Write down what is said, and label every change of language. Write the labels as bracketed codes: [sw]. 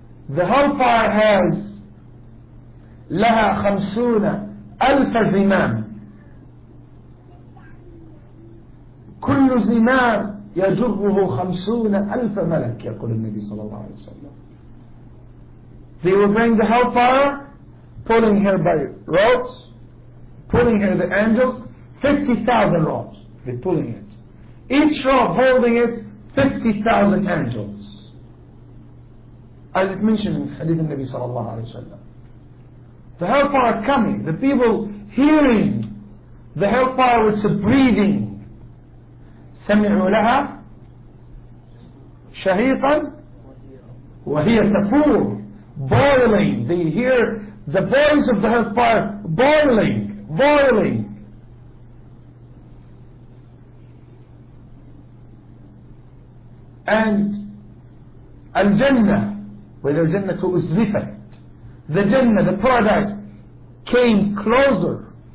[en] The hellfire has [ar] لها خمسون ألف زمام. كل زمام يجره خمسون ألف ملك يقول النبي صلى الله عليه وسلم. [en] They will bring the hellfire, pulling her by ropes, pulling her the angels, 50,000 ropes. They're pulling it. Each rope holding it, 50,000 angels. As it mentioned in Hadith Nabi sallallahu alayhi wa sallam. The hellfire coming, the people hearing the hellfire with the breathing. [ar] سمعوا لها شهيطا وهي تفور. [en] Boiling. They hear the voice of the hellfire boiling, boiling. And Al-Jannah, where the Jannah was lifted, the Jannah, the paradise, came closer